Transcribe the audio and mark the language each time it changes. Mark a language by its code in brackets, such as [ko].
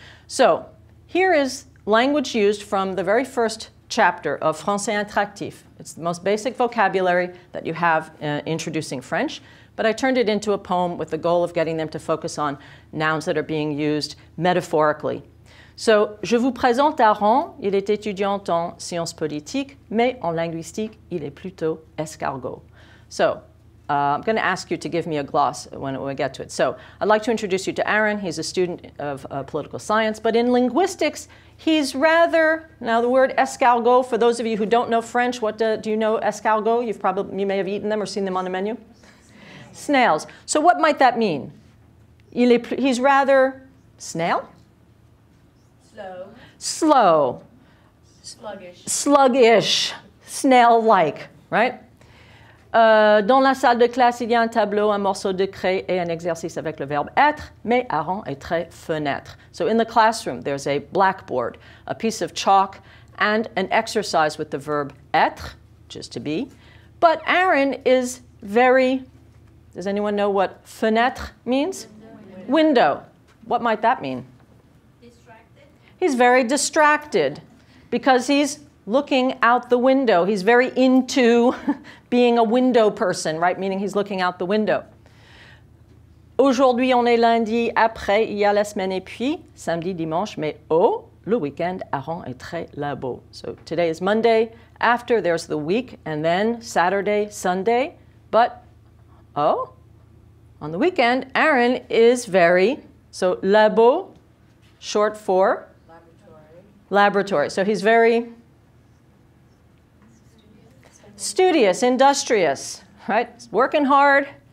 [en] So here is language used from the very first chapter of Français Interactif. It's the most basic vocabulary that you have introducing French, but I turned it into a poem with the goal of getting them to focus on nouns that are being used metaphorically. So, [fr] je vous présente Aaron, il est étudiant en sciences politiques, mais en linguistique, il est plutôt escargot. [en] So, I'm going to ask you to give me a gloss when we get to it. So, I'd like to introduce you to Aaron. He's a student of political science, but in linguistics, he's rather, now the word escargot, for those of you who don't know French, what do you know escargot? You may have eaten them or seen them on the menu. Snails. So what might that mean? He's rather snail? Slow. Sluggish. Sluggish. Snail-like, right? [fr] Dans la salle de classe, il y a un tableau, un morceau de craie et un exercice avec le verbe être, mais Aaron est très fenêtre. [en] So in the classroom, there's a blackboard, a piece of chalk, and an exercise with the verb être, which is to be. But Aaron is very, does anyone know what fenêtre means? Window. What might that mean? Distracted. He's very distracted because he's looking out the window. He's very into being a window person, right? Meaning he's looking out the window. [fr] Aujourd'hui, on est lundi, après, il y a la semaine et puis, samedi, dimanche, mais oh, le week-end, Aaron est très labo. [en] So today is Monday, after there's the week, and then Saturday, Sunday, but oh, on the weekend, Aaron is very, so labo, short for? Laboratory. Laboratory, so he's very studious, industrious, right? Working hard.